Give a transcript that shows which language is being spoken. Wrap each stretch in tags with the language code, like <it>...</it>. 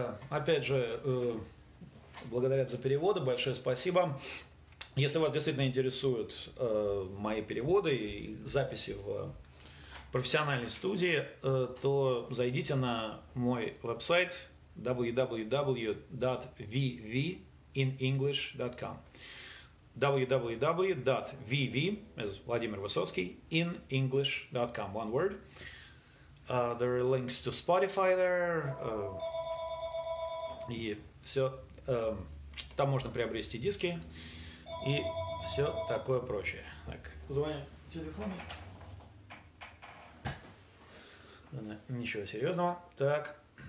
<ru>Опять же, благодаря за переводы, большое спасибо. Если вас действительно интересуют мои переводы и записи в профессиональной студии, то зайдите на мой веб-сайт www.vvinenglish.com.</ru> <en>www.vv, as Vladimir Высоцкий, inenglish.com, one word. There are links to Spotify there.</en> <ru>И все, там можно приобрести диски и все такое прочее. Так, звоню телефон. Ничего серьезного. Так.</ru>